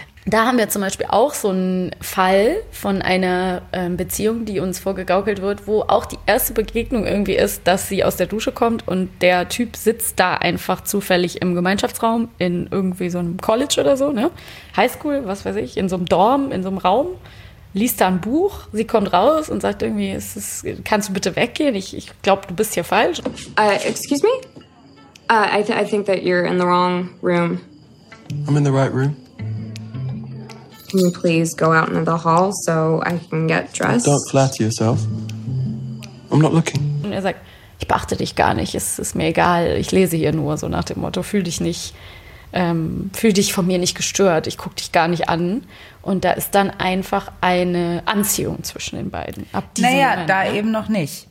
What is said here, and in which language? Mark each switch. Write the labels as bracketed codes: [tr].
[de] Da haben wir zum Beispiel auch so einen Fall von einer Beziehung, die uns vorgegaukelt wird, wo auch die erste Begegnung irgendwie ist, dass sie aus der Dusche kommt und der Typ sitzt da einfach zufällig im Gemeinschaftsraum in irgendwie so einem College oder so, ne? Highschool, was weiß ich, in so einem Dorm, in so einem Raum, liest da ein Buch, sie kommt raus und sagt irgendwie, kannst du bitte weggehen? Ich glaube, du bist hier falsch. [en] Excuse me? I think that you're in the wrong room. I'm in the right room. Can you please go out into the hall so I can get dressed? Don't flatter yourself. I'm not looking. [de] Und er sagt, ich beachte dich gar nicht, es ist mir egal, ich lese hier nur, so nach dem Motto, fühl dich von mir nicht gestört, ich gucke dich gar nicht an. Und da ist dann einfach eine Anziehung zwischen den beiden. Ab diesem Naja, Moment, da ja. eben noch nicht.